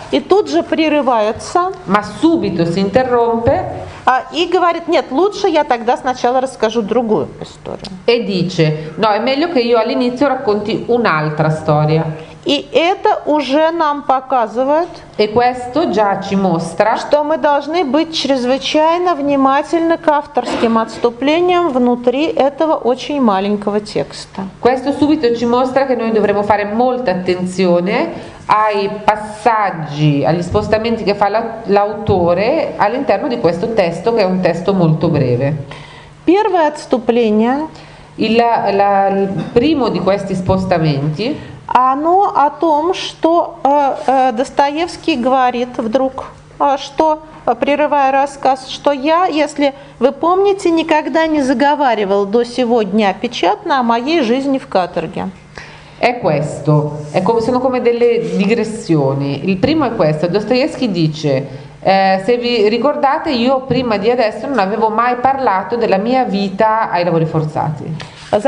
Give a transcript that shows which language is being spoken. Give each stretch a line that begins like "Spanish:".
Russian: И тут же прерывается.
Italian: Ma subito si interrompe.
Russian: И говорит: нет, лучше я тогда сначала расскажу другую историю.
Italian: E dice: no, è meglio che io all'inizio racconti un'altra storia.
Russian: И это уже нам показывает,
Italian: e questo già ci mostra,
Russian: что мы должны быть чрезвычайно внимательны к авторским отступлениям внутри этого очень маленького текста.
Italian: Questo subito ci mostra che noi dovremo fare molta attenzione ai passaggi, agli spostamenti che fa l'autore all'interno di questo testo, che è un testo molto breve.
Russian: Первое отступление,
Italian: il primo di questi spostamenti,
Russian: оно о том, что Достоевский говорит вдруг, что, прерывая рассказ, что я, если вы помните, никогда не заговаривал до сего дня печатно о моей жизни в каторге.
Italian: È questo, sono come delle digressioni. Il primo è questo, Достоевский dice, se vi ricordate, io prima di adesso non avevo mai parlato della mia vita ai lavori forzati.